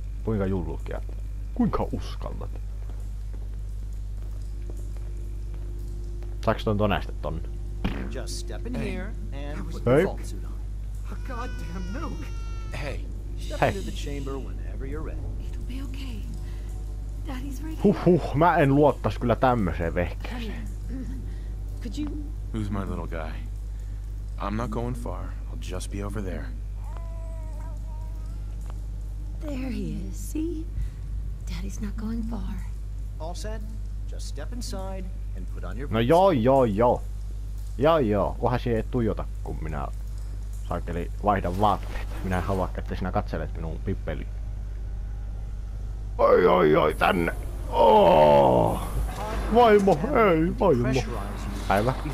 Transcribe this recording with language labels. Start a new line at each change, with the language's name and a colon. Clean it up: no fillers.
Finnish: Kuinka julkia? Kuinka uskallat? Saanko ton tonne sitten tonne?
English: Just step in here and put the vault suit on. A goddamn nuke! Hey, step into the chamber whenever you're ready. It'll be okay. Daddy's ready.
Finnish: Huh, mä en luottais kyllä tämmöseen vehkeeseen.
English: Could you? Who's my little guy? I'm not going far. I'll just be over there. There he is. See? Daddy's not going far. All set? Just step inside and put on your
Finnish: vault. No joo. Joo, kunhan siihen ei tuijota, kun minä saakeli vaihdan vaatteet. Minä en halua, että sinä katselet minun pippeliin. Oi, tänne! Oh! Vaimo, hei, vaimo! Päivä.